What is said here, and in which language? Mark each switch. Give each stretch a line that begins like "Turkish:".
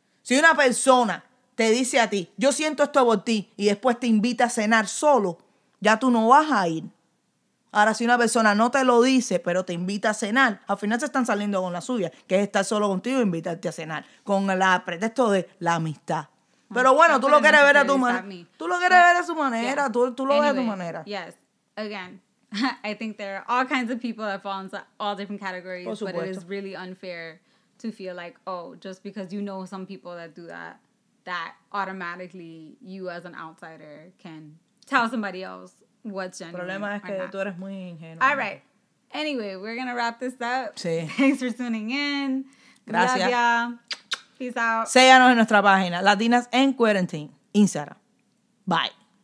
Spanish: Si una persona te dice a ti, yo siento esto por ti, y después te invita a cenar solo, ya tú no vas a ir. Ahora, si una persona no te lo dice, pero te invita a cenar, al final se están saliendo con la suya, que es estar solo contigo e invitarte a cenar, con el pretexto de la amistad. Pero bueno, tú lo quieres ver a tu manera. Tú lo quieres ver a su manera.
English: Yeah.
Spanish: Tú lo ves a tu manera.
English: Yes, again. I think there are all kinds of people that fall into all different categories, but it is really unfair to feel like, oh, just because you know some people that do that, that automatically you as an outsider can tell somebody else what's genuine.
Spanish: El problema es que tú eres muy ingenua.
English: All right. Anyway, we're going to wrap this up.
Spanish: Sí.
English: Thanks for tuning in.
Spanish: Gracias. Gracias.
English: Peace out.
Spanish: Síganos en nuestra página, Latinas en Quarantine, Instagram. Bye.